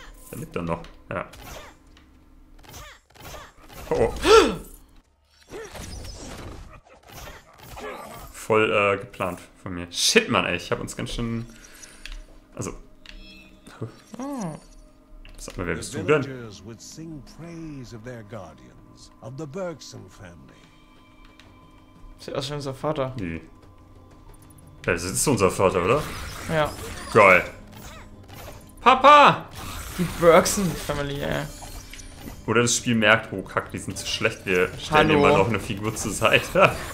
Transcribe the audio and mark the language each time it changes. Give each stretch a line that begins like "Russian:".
German: Da lebt er noch, ja. Oh. Voll geplant von mir. Shit, Mann, ey, ich hab uns ganz schön. Also. Sag mal, wer bist du denn?
English: Die Villagers would sing praise of their guardians, of the Bergson family.
German: Sieht aus wie unser Vater. Nee. Ja, das ist unser Vater, oder? Ja. Geil. Papa! Die Bergson Family, ey. Oder das Spiel merkt, oh kack, die sind zu schlecht, wir stellen dir mal noch eine Figur zur Seite.